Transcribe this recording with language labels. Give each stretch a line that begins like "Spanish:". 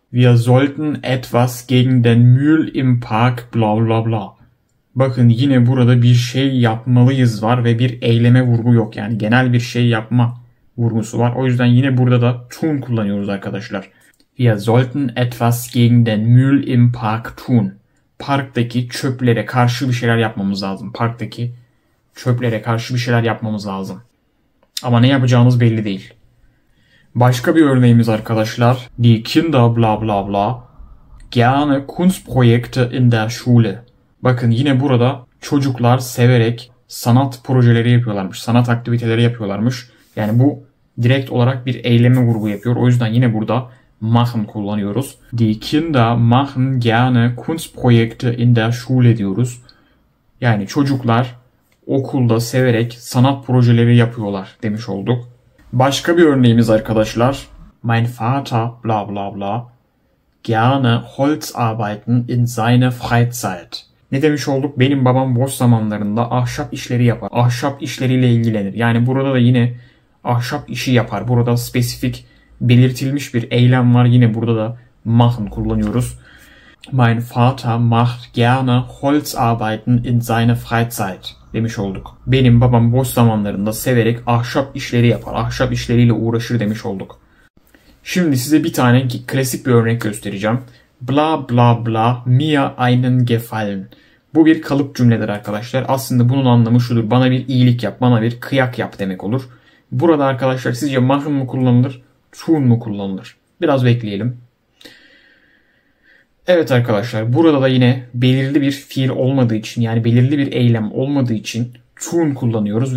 German: Wir sollten etwas gegen den Müll im Park bla bla bla.
Turkish: Bakın yine burada bir şey yapmalıyız var ve bir eyleme vurgu yok. Yani genel bir şey yapma vurgusu var. O yüzden yine burada da tun kullanıyoruz arkadaşlar.
German: Wir sollten etwas gegen den Müll im Park tun.
Turkish: Parktaki çöplere karşı bir şeyler yapmamız lazım. Parktaki çöplere karşı bir şeyler yapmamız lazım. Ama ne yapacağımız belli değil. Başka bir örneğimiz arkadaşlar.
German: Die Kinder bla bla bla gerne Kunstprojekte in der Schule.
Turkish: Bakın yine burada çocuklar severek sanat projeleri yapıyorlarmış. Sanat aktiviteleri yapıyorlarmış. Yani bu direkt olarak bir eyleme vurgu yapıyor. O yüzden yine burada machen kullanıyoruz.
German: Die Kinder machen gerne Kunstprojekte in der Schule
Turkish: diyoruz. Yani çocuklar okulda severek sanat projeleri yapıyorlar demiş olduk. Başka bir örneğimiz arkadaşlar.
German: Mein Vater bla bla bla gerne Holzarbeiten in seine Freizeit.
Turkish: Ne demiş olduk? Benim babam boş zamanlarında ahşap işleri yapar. Ahşap işleriyle ilgilenir. Yani burada da yine ahşap işi yapar. Burada spesifik belirtilmiş bir eylem var. Yine burada da machen kullanıyoruz.
German: Mein Vater macht gerne Holzarbeiten in seine Freizeit
Turkish: demiş olduk. Benim babam boş zamanlarında severek ahşap işleri yapar, ahşap işleriyle uğraşır demiş olduk. Şimdi size bir tane klasik bir örnek göstereceğim.
German: Bla bla bla mir einen gefallen.
Turkish: Bu bir kalıp cümledir arkadaşlar. Aslında bunun anlamı şudur. Bana bir iyilik yap, bana bir kıyak yap demek olur. Burada arkadaşlar sizce machen mı kullanılır, tun mu kullanılır? Biraz bekleyelim. Evet arkadaşlar, burada da yine belirli bir fiil olmadığı için, yani belirli bir eylem olmadığı için tun kullanıyoruz.